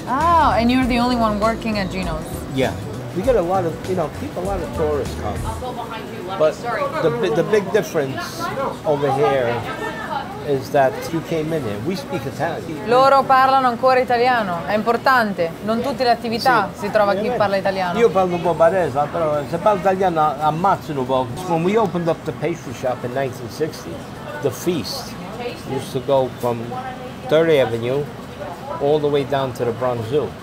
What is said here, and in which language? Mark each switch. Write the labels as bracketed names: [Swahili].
[English] Oh, and you're the only one working at Gino's? Yeah. We get a lot of, a lot of tourists come. I'll go behind you. But the big difference over here is that you came in here. We speak Italian. [Italian] Loro parlano ancora italiano. È importante. Non tutte le attività si trova chi parla italiano. Io parlo un po' barese, però se parlo italiano ammazzano un po'. [English] When we opened up the pastry shop in 1960, the feast used to go from 30th Avenue all the way down to the Bronx Zoo.